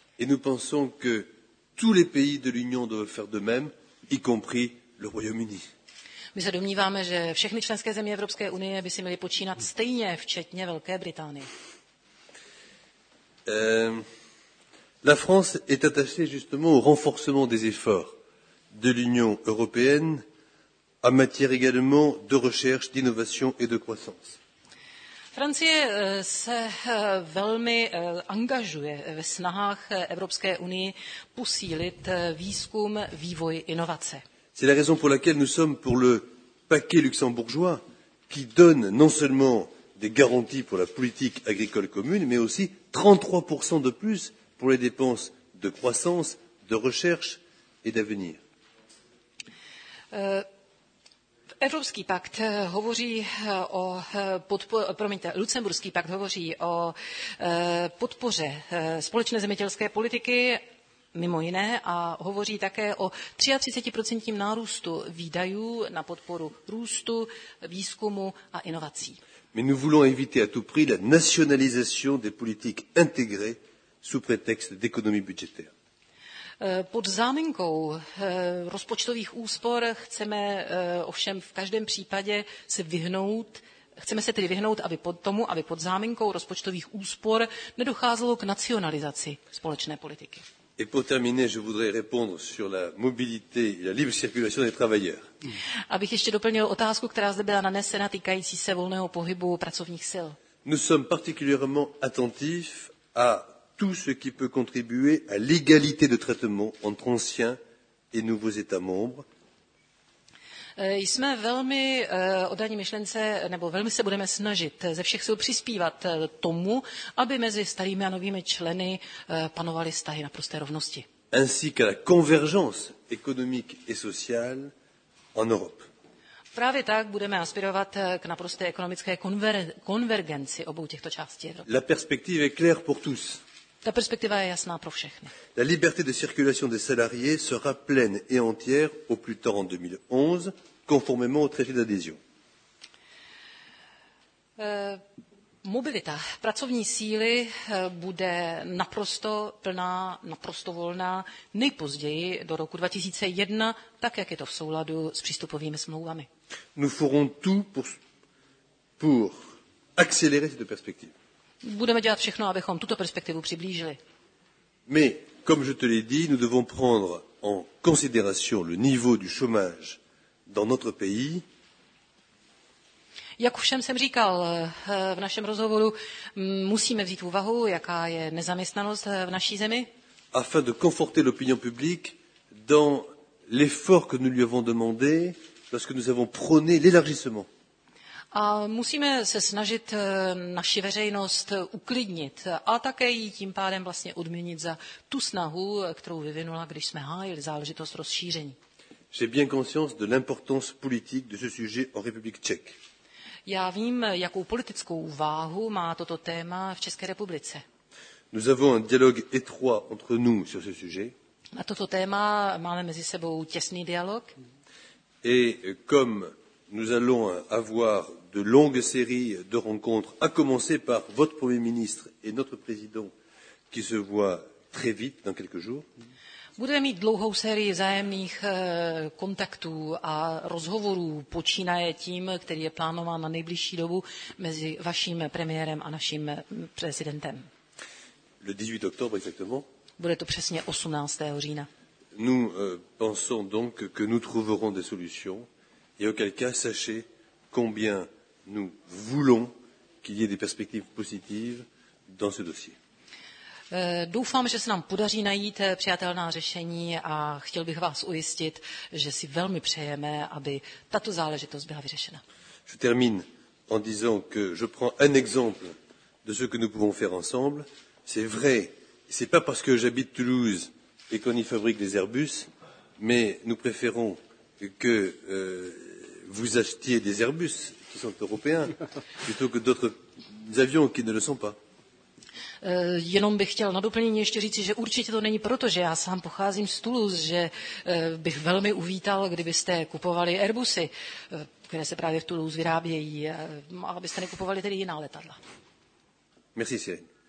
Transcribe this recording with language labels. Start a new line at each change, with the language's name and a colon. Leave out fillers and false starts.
French: Et nous pensons que tous les pays de l'Union doivent faire de même, y compris le Royaume-Uni.
Czech: My se domníváme, že všechny členské země Evropské unie by si měly počínat stejně, včetně Velké Británie.
French: La France est attachée justement au renforcement des efforts de l'Union européenne en matière également de recherche, d'innovation et de croissance.
Czech: Francie se velmi angažuje ve snahách Evropské unie posílit výzkum, vývoj, inovace.
French: C'est la raison pour laquelle nous sommes pour le paquet luxembourgeois qui donne non seulement des garanties pour la politique agricole commune, mais aussi 33% de plus pour les dépenses de croissance, de recherche et d'avenir.
Czech: Evropský pakt hovoří o Lucemburský pakt hovoří o podpoře společné zemědělské politiky mimo jiné a hovoří také o 33% nárůstu výdajů na podporu růstu, výzkumu a inovací.
French: Mais nous voulons éviter à tout prix la nationalisation des politiques intégrées sous prétexte d'économie budgétaire.
Czech: Pod záminkou rozpočtových úspor chceme ovšem v každém případě se vyhnout, chceme se tedy vyhnout, aby pod tomu, aby pod záminkou rozpočtových úspor nedocházelo k nacionalizaci společné politiky.
French: Et pour terminer, je voudrais répondre sur la mobilité et la libre circulation des travailleurs.
Czech: Abych ještě doplnil otázku, která zde byla nanesena týkající se volného pohybu pracovních sil.
French: Nous sommes particulièrement attentifs à tout ce qui peut contribuer à l'égalité de traitement entre anciens et nouveaux États membres.
Czech: Jsme velmi oddaní myšlence, nebo velmi se budeme snažit ze všech sil přispívat tomu, aby mezi starými a novými členy panovaly vztahy na prosté rovnosti.
French: Ainsi qu'à la convergence économique et sociale en Europe.
Czech: Právě tak budeme aspirovat k naprosté ekonomické konvergenci obou těchto částí Evropy.
French: La perspective est claire pour tous.
Czech: Ta perspektiva je jasná pro všechny.
French: La liberté de circulation des salariés sera pleine et entière au plus tard en 2011, conformément au traité d'adhésion.
Czech: Mobilita pracovní síly bude naprosto plná, naprosto volná nejpozději do roku 2001, tak jak je to v souladu s přístupovými smlouvami.
French: Nous ferons tout pour accélérer cette perspective.
Czech: Budeme dělat všechno, abychom tuto perspektivu přiblížili.
French: Mais, comme je te l'ai dit, nous devons prendre en considération le niveau du chômage dans notre pays.
Czech: Jak už jsem říkal v našem rozhovoru, musíme vzít úvahu, jaká je nezaměstnanost v naší zemi.
French: Afin de conforter l'opinion publique dans l'effort que nous lui avons demandé lorsque nous avons prôné l'élargissement.
Czech: A musíme se snažit naši veřejnost uklidnit a také ji tím pádem vlastně odměnit za tu snahu, kterou vyvinula, když jsme hájili záležitost rozšíření.
French: J'ai bien conscience de l'importance politique de ce sujet en République tchèque.
Czech: Já vím, jakou politickou váhu má toto téma v České republice.
French: Nous avons un dialogue étroit entre nous sur ce sujet.
Czech: Na toto téma máme mezi sebou těsný dialog.
French: Et comme nous allons avoir de longues séries de rencontres, à commencer par votre Premier ministre et notre Président, qui se voit très vite, dans quelques jours.
Czech: Budeme mít dlouhou sérii vzájemných kontaktů a rozhovorů, počínaje tím, který je plánován na nejbližší dobu mezi vaším premiérem a naším prezidentem.
French: Le 18 octobre exactement.
Czech: Bude to přesně 18. října.
French: Nous pensons donc que nous trouverons des solutions et auquel cas sachez combien nous voulons qu'il y ait des perspectives positives dans ce dossier.
Czech: Doufám, že se nám podaří najít přijatelná řešení a chtěl bych vás ujistit, že si velmi přejeme, aby tato záležitost byla vyřešena.
French: Je termine en disant que je prends un exemple de ce que nous pouvons faire ensemble. C'est vrai, c'est pas parce que j'habite Toulouse et qu'on y fabrique des Airbus, mais nous préférons que vous achetiez des Airbus qui sont européens plutôt que d'autres avions qui ne le sont pas.
Czech: Jenom bych chtěl na doplnění ještě říci, že určitě to není proto, že já sám pocházím z Toulouse, že bych velmi uvítal, kdybyste kupovali Airbusy, které se právě v Toulouse vyrábějí, a abyste nekupovali tedy jiná letadla.
French: Merci, Cyril.